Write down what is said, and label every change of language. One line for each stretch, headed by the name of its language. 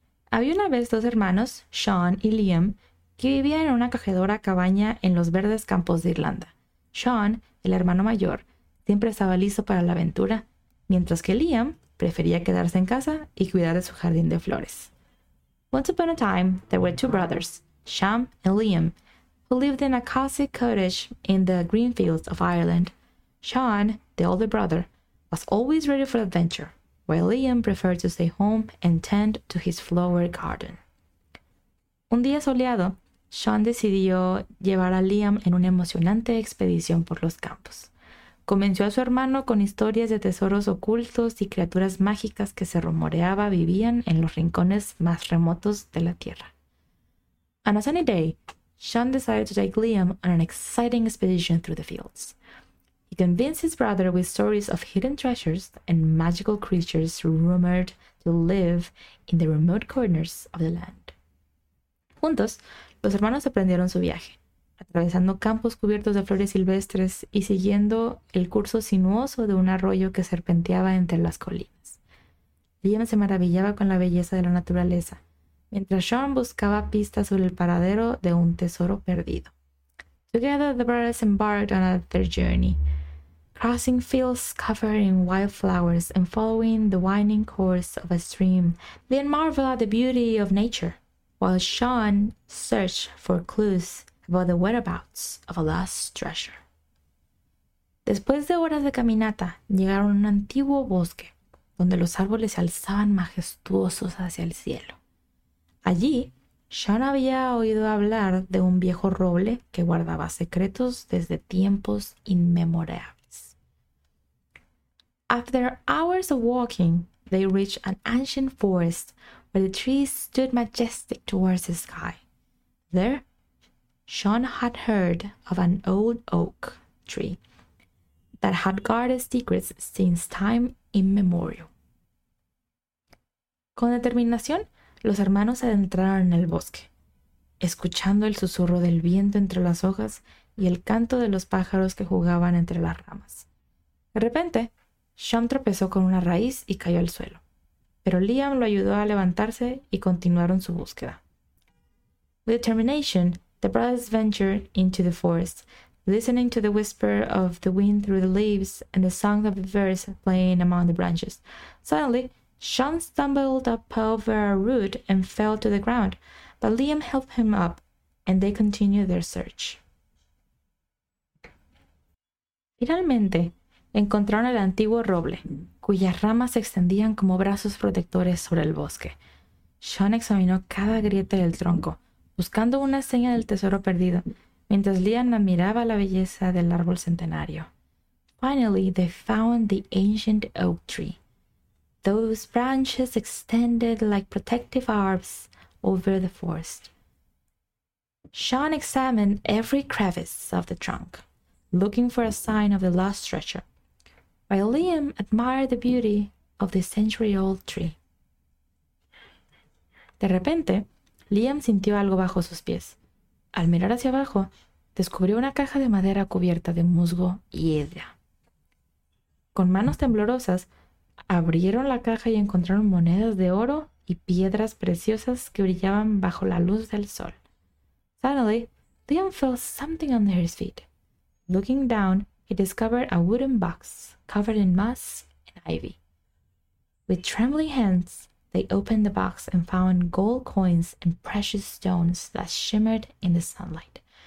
Spanish: Había una vez dos hermanos, Sean y Liam, que vivían en una acogedora cabaña en los verdes campos de Irlanda. Sean, el hermano mayor, siempre estaba listo para la aventura, mientras que Liam prefería quedarse en casa y cuidar de su jardín de flores.
English: Once upon a time, there were two brothers, Sean and Liam, who lived in a cozy cottage in the green fields of Ireland. Sean, the older brother, was always ready for adventure, while Liam preferred to stay home and tend to his flower garden.
Spanish: Un día soleado, Sean decidió llevar a Liam en una emocionante expedición por los campos. Convenció a su hermano con historias de tesoros ocultos y criaturas mágicas que se rumoreaba vivían en los rincones más remotos de la tierra.
English: On a sunny day, Sean decided to take Liam on an exciting expedition through the fields. He convinced his brother with stories of hidden treasures and magical creatures rumored to live in the remote corners of the land.
Spanish: Juntos, los hermanos emprendieron su viaje, atravesando campos cubiertos de flores silvestres y siguiendo el curso sinuoso de un arroyo que serpenteaba entre las colinas. Liam se maravillaba con la belleza de la naturaleza, mientras Sean buscaba pistas sobre el paradero de un tesoro perdido.
English: Together, the brothers embarked on their journey, crossing fields covered in wildflowers and following the winding course of a stream. They marveled at the beauty of nature, while Sean searched for clues about the whereabouts of a lost treasure.
Spanish: Después de horas de caminata, llegaron a un antiguo bosque, donde los árboles se alzaban majestuosos hacia el cielo. Allí, Sean había oído hablar de un viejo roble que guardaba secretos desde tiempos inmemorables.
English: After hours of walking, they reached an ancient forest where the trees stood majestic towards the sky. There, Sean had heard of an old oak tree that had guarded secrets since time immemorial.
Spanish: Con determinación, los hermanos adentraron en el bosque, escuchando el susurro del viento entre las hojas y el canto de los pájaros que jugaban entre las ramas. De repente, Sean tropezó con una raíz y cayó al suelo, pero Liam lo ayudó a levantarse y continuaron su búsqueda.
English: With determination, the brothers ventured into the forest, listening to the whisper of the wind through the leaves and the song of the birds playing among the branches. Suddenly, Sean stumbled up over a root and fell to the ground, but Liam helped him up, and they continued their search.
Spanish: Finalmente, encontraron el antiguo roble, cuyas ramas se extendían como brazos protectores sobre el bosque. Sean examinó cada grieta del tronco, buscando una seña del tesoro perdido, mientras Liam admiraba la belleza del árbol centenario.
English: Finally, they found the ancient oak tree. Those branches extended like protective arms over the forest. Sean examined every crevice of the trunk, looking for a sign of the lost treasure, while Liam admired the beauty of the century-old tree.
Spanish: De repente, Liam sintió algo bajo sus pies. Al mirar hacia abajo, descubrió una caja de madera cubierta de musgo y hiedra. Con manos temblorosas, abrieron la caja y encontraron monedas de oro y piedras preciosas que brillaban bajo la luz del sol.
English: Suddenly, Liam felt something under his feet. Looking down, he discovered a wooden box covered in moss and ivy. With trembling hands, they opened the box and found gold coins and precious stones that shimmered in the sunlight.